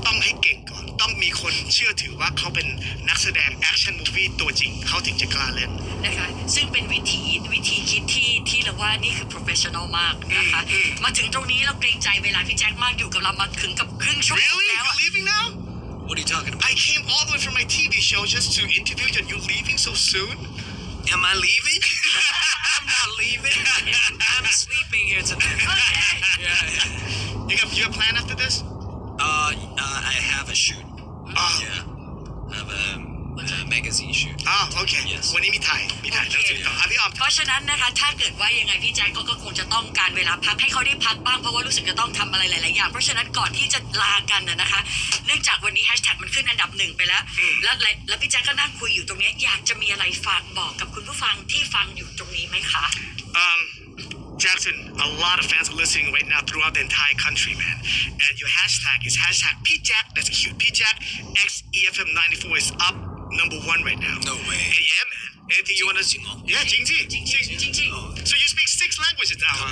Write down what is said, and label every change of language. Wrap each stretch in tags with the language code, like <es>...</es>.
<th>ต้องให้เก่งก่อนต้อง องมีคนเชื่อถือว่าเขาเป็นนักแสดงแอคชั่นมูฟวี่ตัวจริงเขาถึงจะกล้าเล่น นะคะซึ่งเป็นวิธีคิดที่เราว่านี่คือโปรเฟสชันนอลมากนะคะมาถึงตรงนี้เราเกรงใจเวลาพี่แจ็คมากอยู่กับเรามาถึงกับครึ่งชั่วโมงแล้ว</th> <en>Really? You're leaving now? What are you talking about? I came all the way from my TV show just to interview you and you're leaving so soon? Am I leaving? I'm not leaving. I'm sleeping here tonight. Okay. Yeah. You have a plan after this? I have a shoot. Oh. Yeah. I have a magazine shoot. Ah, okay. Yes.</en> <th>วันนี้มีถ่าย แล้วจ ริงๆอ่ะพี่ออม เพราะฉะนั้นนะคะถ้าเกิดว่ายังไงพี่แจ็คก็คงจะต้องการเวลาพักให้เขาได้พักบ้างเพราะว่ารู้สึกจะต้องทำอะไรหลายๆอย่างเพราะฉะนั้นก่อนที่จะลากันนะคะเนื่องจากวันนี้แฮชแท็กมันขึ้นอันดับหนึ่งไปแล้วแล้วพี่แจ็คก็นั่งคุยอยู่ตรงนี้อยากจะมีอะไรฝากบอกกับคุณผู้ฟังที่ฟังอยู่ตรงนี้ไหมคะ</th> <en>Jackson, a lot of fans are listening right now throughout the entire country, man. And your hashtag is hashtag PJack. That's cute. PJack XEFM94 is up number one right now. No way. Hey, yeah, man. Anything you want to say? Yeah, Jingji. Jingji. So you speak six languages now, huh?</en>